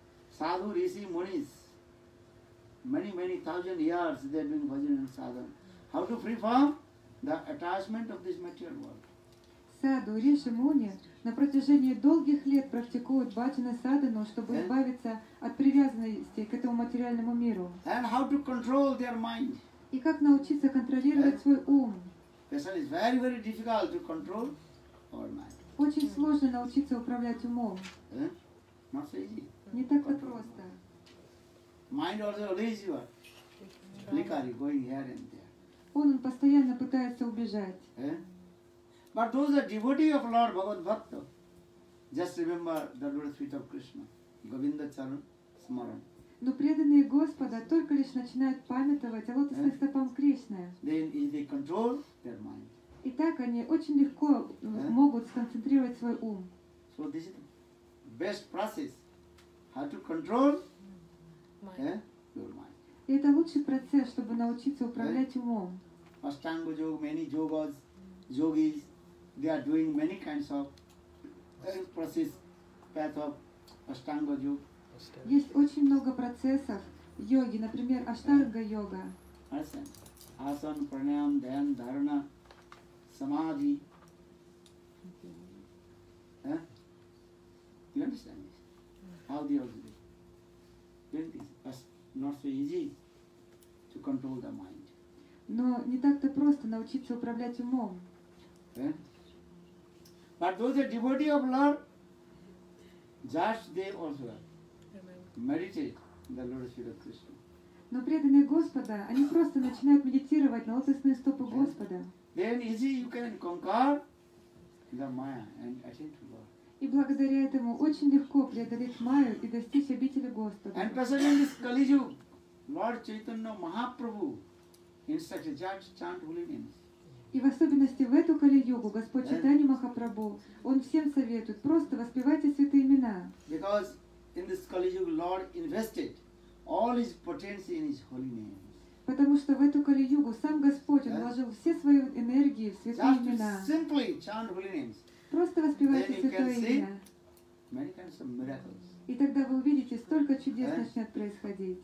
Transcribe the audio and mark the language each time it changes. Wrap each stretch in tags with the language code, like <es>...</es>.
<en>Sadhu, Rishi, Munis, many, many thousand years they are doing bhajan and sadhana. How to free from the attachment of this material world?</en> <ru>Sadhu, Rishi, Muni на протяжении долгих лет практикуют баджан и садхану, чтобы избавиться от привязанности к этому материальному миру.</ru> <en>And how to control their mind?</en> <ru>И как научиться контролировать свой ум?</ru> <en>Especially it's very, very difficult to control our mind.</en> <ru>Очень сложно научиться управлять умом.</ru> <en>Not so easy.</en> <ru>Не так-то просто.</ru> <en>Mind also leads you what? Flickery, going here and there.</en> <ru>Он постоянно пытается убежать.</ru> <en>But those are devotees of Lord Bhagavad Bhakta. Just remember the lotus feet of Krishna.</en> <sa>Govinda Charan Smaran.</sa> <ru>Но преданные Господа только лишь начинают памятовать о лотосных стопах Кришны.</ru> <en>Then they control their mind.</en> <ru>И так они очень легко могут сконцентрировать свой ум.</ru> <en>So this is the best process. How to control your mind.</en> <ru>И это лучший процесс, чтобы научиться управлять умом.</ru> <en>Ashtanga yoga, many yogas, yogis, they are doing many kinds of process, path of Ashtanga yoga.</en> <ru>Есть очень много процессов йоги, например, Ashtanga yoga.</ru> <sa>Asana, pranayam, dhyan, dharana, samadhi.</sa> <en>You understand this? How they are doing? Then it's not so easy to control the mind.</en> <ru>Но не так-то просто научиться управлять умом.</ru> <en>But those are devotees of Lord, just they also meditate the lotus feet of Krishna.</en> <ru>Но преданные Господа, они просто начинают медитировать на лотосные стопы Господа.</ru> <en>Then easy you can conquer the Maya and attain to Lord.</en> <ru>И благодаря этому очень легко преодолеть Майю и достичь обители Господа.</ru> <en>And especially in this Kali Yuga, Lord Chaitanya Mahaprabhu instructed just chant holy names.</en> <ru>И в особенности в эту Кали Йогу Господь Чайтанья Махапрабху он всем советует просто воспевайте святые имена.</ru> <en>Because in this Kali Yuga, Lord invested all his potency in his holy names.</en> <ru>Потому что в эту Кали Йогу сам Господь вложил все свои энергии в святые</ru> <en>just</en> <ru>имена.</ru> <en>Just simply chant holy names.</en> <ru>Просто воспевайте святое имя. И тогда вы увидите, столько чудес начнет происходить.</ru>